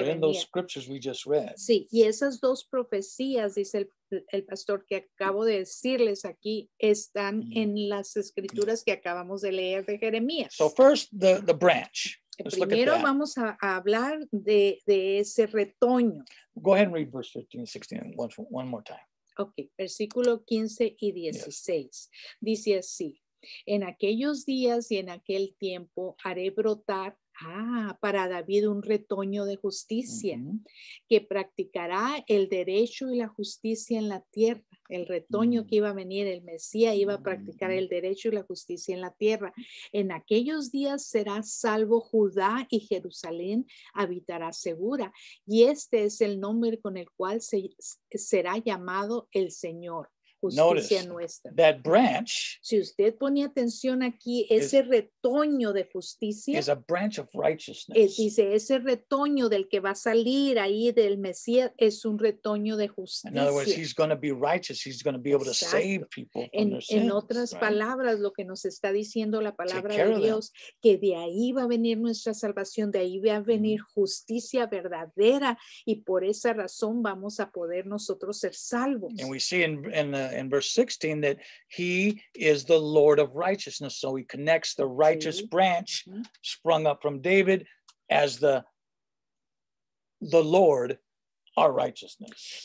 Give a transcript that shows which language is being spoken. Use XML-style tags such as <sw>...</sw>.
<en>venía. In those scriptures we just read.</en> <es>Sí, y esas dos profecías, dice el pastor que acabo de decirles aquí, están mm-hmm. en las escrituras yeah. que acabamos de leer de Jeremías.</es> <en>So first, the branch. Let's</en> <es>primero</es> <en>look at that.</en> <es>Vamos a hablar de ese retoño.</es> <en>Go ahead and read verse 15 and 16 one more time.</en> <es>Okay, versículo 15 y 16. Yes. Dice así. En aquellos días y en aquel tiempo haré brotar para David un retoño de justicia que practicará el derecho y la justicia en la tierra. El retoño que iba a venir, el Mesías, iba a practicar el derecho y la justicia en la tierra. En aquellos días será salvo Judá y Jerusalén habitará segura. Y este es el nombre con el cual será llamado el Señor. Justicia nuestra.</es> <en>That branch,</en> <es>si usted pone atención aquí, ese retoño de justicia</es> <en>is a branch of righteousness.</en> <es>Dice, ese retoño del que va a salir ahí del Mesías es un retoño de justicia.</es> <en>In other words, he's going to be righteous. He's going to be able to save people from their sins.</en> <es>En otras palabras, lo que nos está diciendo la palabra de Dios, que de ahí va a venir nuestra salvación, de ahí va a venir justicia verdadera, y por esa razón vamos a poder nosotros ser salvos.</es> <en>And we see in verse 16 that he is the Lord of righteousness, so he connects the righteous branch sprung up from David as the Lord our righteousness.</en>